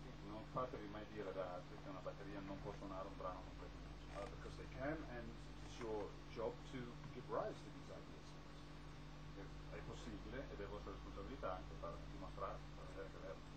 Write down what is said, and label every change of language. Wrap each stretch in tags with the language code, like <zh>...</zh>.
<it>Non fatevi mai dire da altri che una batteria non può suonare un brano completo.</it> <en>Because they can, and it's your job to give rise to these ideas.</en> <it>È possibile, ed è vostra responsabilità anche far dimostrare, far vedere che è.</it>